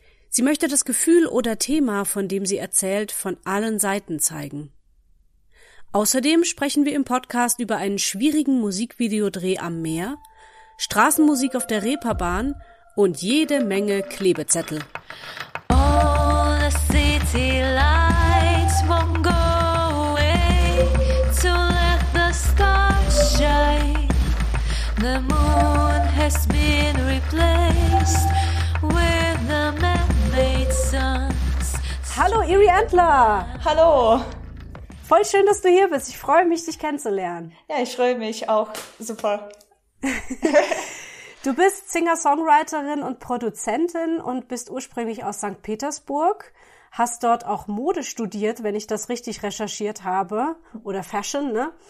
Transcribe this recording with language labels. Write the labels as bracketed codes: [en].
[de] Sie möchte das Gefühl oder Thema, von dem sie erzählt, von allen Seiten zeigen. Außerdem sprechen wir im Podcast über einen schwierigen Musikvideodreh am Meer, Straßenmusik auf der Reeperbahn und jede Menge Klebezettel. [en] All the city lights won't go away to let the stars shine. The moon has been replaced with the man-made suns. [de] Hallo Iri Antler! Hallo! Voll schön, dass du hier bist. Ich freue mich, dich kennenzulernen. Ja, ich freue mich auch. Super. Du bist Singer-Songwriterin und Produzentin und bist ursprünglich aus St. Petersburg, hast dort auch Mode studiert, wenn ich das richtig recherchiert habe, oder Fashion, ne?